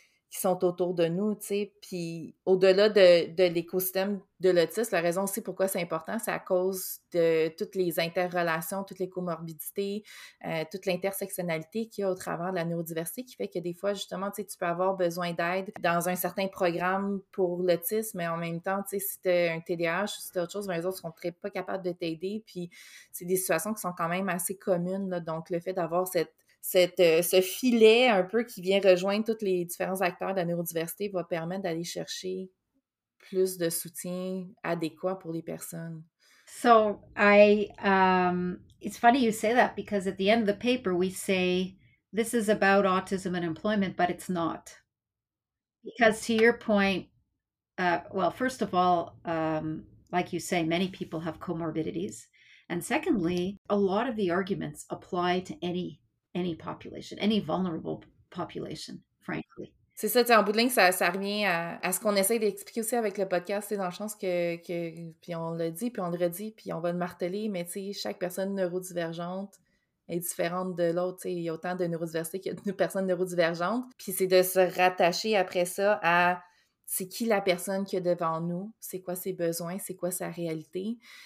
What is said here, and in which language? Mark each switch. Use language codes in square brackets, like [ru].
[fr] qui sont autour de nous, tu sais. Puis au-delà de l'écosystème de l'autisme, la raison aussi pourquoi c'est important, c'est à cause de toutes les interrelations, toutes les comorbidités, toute l'intersectionnalité qu'il y a au travers de la neurodiversité qui fait que des fois, justement, tu sais, tu peux avoir besoin d'aide dans un certain programme pour l'autisme, mais en même temps, tu sais, si tu as un TDAH ou si tu as autre chose, bien, les autres ne sont très pas capables de t'aider. Puis c'est des situations qui sont quand même assez communes, là. Donc le fait d'avoir ce filet un peu qui vient rejoindre tous les différents acteurs de la neurodiversité va permettre d'aller chercher plus de soutien adéquat pour les personnes. [en] So I, it's funny you say that because at the end of the paper we say this is about autism and employment, but it's not. Because to your point, well, first of all, like you say, many people have comorbidities. And secondly, a lot of the arguments apply to any population, any vulnerable population, frankly. [fr] C'est ça, en bout de ligne, ça revient à ce qu'on essaie d'expliquer aussi avec le podcast, c'est dans le sens que puis on l'a dit, puis on le redit, puis on va le marteler, mais tu sais, chaque personne neurodivergente est différente de l'autre, tu sais, il y a autant de neurodiversité qu'il y a de personnes neurodivergentes, puis c'est de se rattacher après ça à c'est qui la personne qui est devant nous, c'est quoi ses besoins, c'est quoi sa réalité,